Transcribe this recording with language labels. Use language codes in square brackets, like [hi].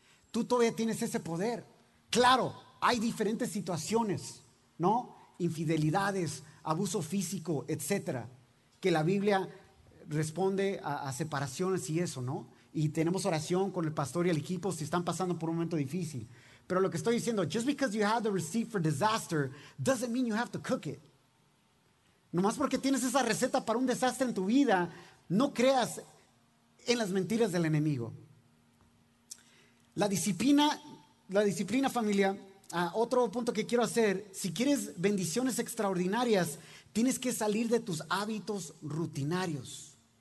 [es] Tú todavía tienes ese poder. Claro, hay diferentes situaciones, ¿no? Infidelidades, abuso físico, etcétera, que la Biblia responde a separaciones y eso, ¿no? Y tenemos oración con el pastor y el equipo si están pasando por un momento difícil. Pero lo que estoy diciendo, [en] just because you have the receipt for disaster doesn't mean you have to cook it. [es] Nomás porque tienes esa receta para un desastre en tu vida, no creas en las mentiras del enemigo. La disciplina familia, otro punto que quiero hacer, si quieres bendiciones extraordinarias, tienes que salir de tus hábitos rutinarios.